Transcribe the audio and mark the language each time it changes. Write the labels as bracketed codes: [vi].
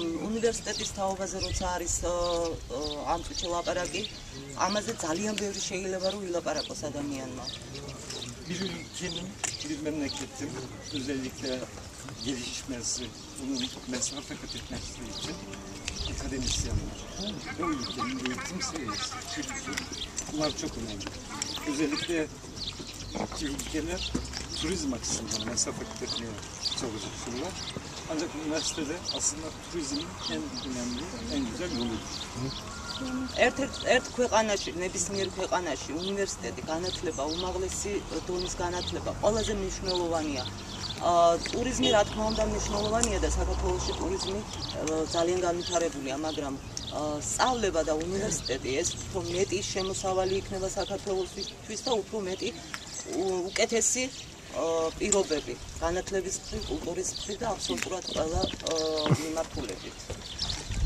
[ka] უნივერსიტეტის თაობაზე როცა არის ამ წუთი ლაპარაკი, ამაზე ძალიან ბევრი შეიძლება რომ ვილაპარაკოს ადამიანმა. [tr] Bir memleketim, özellikle gelişmesi, bunun mesafe kat etmesi için akademisyenler. Bu ülkenin eğitim seviyesi, bunlar çok önemli. Özellikle iki ülkeler turizm açısından mesafe kat etmeye çalışıyorlar. Ancak üniversitede aslında turizmin en önemli, en güzel yoludur. [ka] ერთ ქვეყანაში, ნებისმიერ ქვეყანაში უნივერსიტეტი განათლება, უმაღლესი დონის განათლება ყველაზე მნიშვნელოვანია. ტურიზმი რა თქმა უნდა მნიშვნელოვანია და საქართველოში ტურიზმი ძალიან განვითარებულია, მაგრამ სწავლება და უნივერსიტეტი ეს უფრო მეტი შემოსავალი იქნება საქართველოსთვის და უფრო მეტი უკეთესი პირობები განათლების მხრივ, კულტურის მხრივ და აბსოლუტურად ყველა მიმართულებით.